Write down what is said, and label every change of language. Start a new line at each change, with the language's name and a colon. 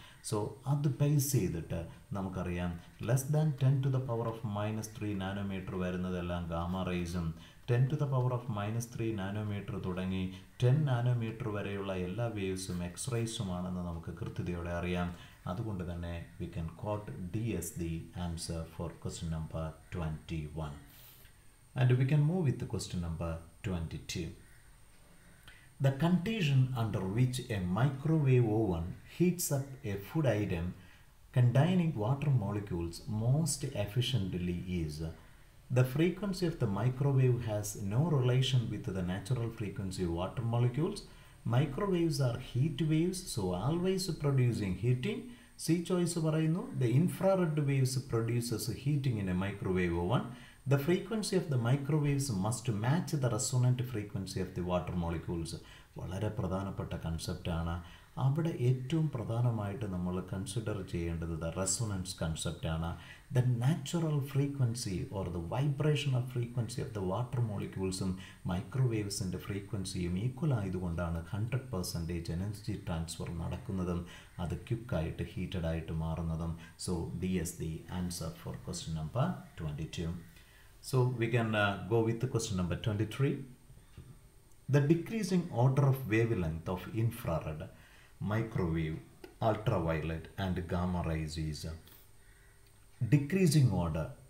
Malayalam: So അത് base ചെയ്തിട്ട് നമുക്കറിയാം (less than 10⁻³⁻) വരുന്നതെല്ലാം ഗാമ റേസും 10⁻³⁻ തുടങ്ങി 10 നാനോമീറ്റർ വരെയുള്ള എല്ലാ വേവ്സും എക്സ്റേസുമാണെന്ന് നമുക്ക് കൃത്യതയോടെ അറിയാം.
English: അതുകൊണ്ട് തന്നെ we can quote this is the answer for question number 21. And we can move with the question number 22. The condition under which a microwave oven heats up a food item containing water molecules most efficiently is. The frequency of the microwave has no relation with the natural frequency of water molecules. Microwaves are heat waves, so always producing heating. C choice
Malayalam: parayunu,
English: the infrared waves produces heating in a microwave oven. The frequency of the microwaves must match the resonant frequency of the water molecules.
Malayalam: വളരെ പ്രധാനപ്പെട്ട കൺസെപ്റ്റാണ്. അവിടെ ഏറ്റവും പ്രധാനമായിട്ട് നമ്മൾ consider ചെയ്യേണ്ടത് the resonance കൺസെപ്റ്റാണ്.
English: The natural frequency or the vibrational frequency of the water മോളിക്യൂൾസും മൈക്രോവേവ്സിൻ്റെ ഫ്രീക്വൻസിയും equal ആയതുകൊണ്ടാണ് 100% എനർജി ട്രാൻസ്ഫർ നടക്കുന്നതും അത് ക്യുക്കായിട്ട് ഹീറ്റഡ് ആയിട്ട് മാറുന്നതും. So this is the answer for question number 22. So we can go with question number 23. The decreasing order of wavelength of infrared, microwave, ultraviolet and gamma rays is decreasing order.